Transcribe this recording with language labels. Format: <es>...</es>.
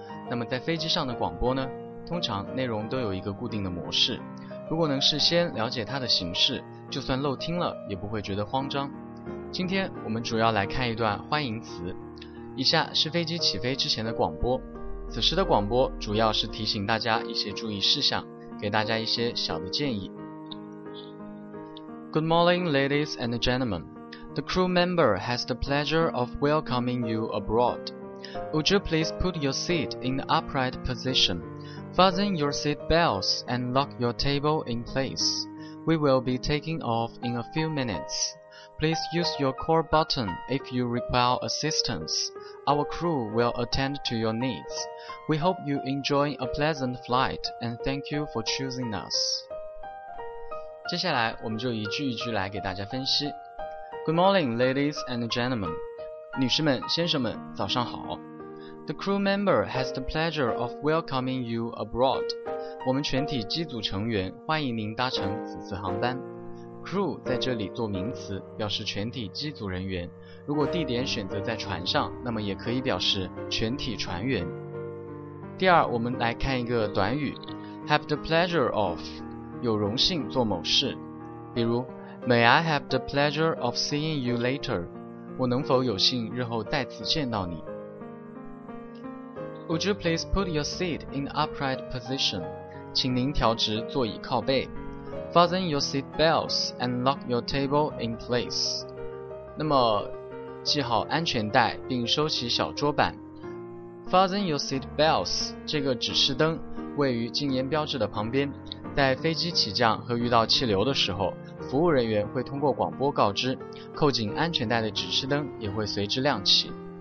<zh>那么在飞机上的广播呢，通常内容都有一个固定的模式，如果能事先了解它的形式，就算漏听了也不会觉得慌张。今天我们主要来看一段欢迎词，以下是飞机起飞之前的广播，此时的广播主要是提醒大家一些注意事项，给大家一些小的建议。</zh> <en>Good morning, ladies and gentlemen. The crew member has the pleasure of welcoming you aboard. Would you please put your seat in the upright position, fasten your seat belts and lock your table in place. We will be taking off in a few minutes. Please use your core button if you require assistance. Our crew will attend to your needs. We hope you enjoy a pleasant flight and thank you for choosing us.</en> <zh>接下来我们就一句一句来给大家分析。</zh> <en>Good morning, ladies and gentlemen.</en> <zh>女士们先生们早上好。</zh> <en>The crew member has the pleasure of welcoming you aboard.</en> <zh>我们全体机组成员欢迎您搭乘此次航班。 Crew 在这里做名词，表示全体机组人员，如果地点选择在船上，那么也可以表示全体船员。第二，我们来看一个短语，</zh> <en>Have the pleasure of，</en> <zh>有荣幸做某事，比如</zh> <en>May I have the pleasure of seeing you later?</en> <zh>我能否有幸日后再次见到你。</zh> <en>Would you please put your seat in the upright position?</en> <zh>请您调直座椅靠背。</zh> <en>Fasten your seat belts and lock your table in place.</en> <zh>那么系好安全带并收起小桌板。</zh> <en>Fasten your seat belts</en> <zh>这个指示灯位于禁烟标志的旁边，在飞机起降和遇到气流的时候，服务人员会通过广播告知，扣紧安全带的指示灯也会随之亮起。</zh>